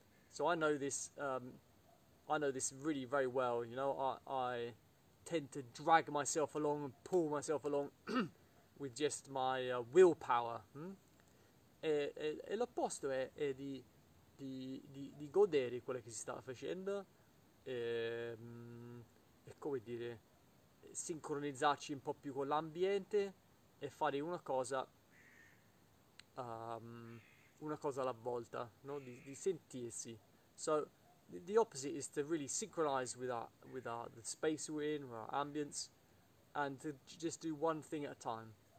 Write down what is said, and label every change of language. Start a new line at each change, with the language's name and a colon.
English: So I know this really very well, you know. I tend to drag myself along and pull myself along with just my willpower.
Italian: E l'opposto è di godere quello che si sta facendo e come dire, sincronizzarci un po' più con l'ambiente e fare una cosa alla volta, no? di sentirsi.
English: So the opposite is to really synchronize with our the space we're in, with our ambience, and to just do one thing at a time.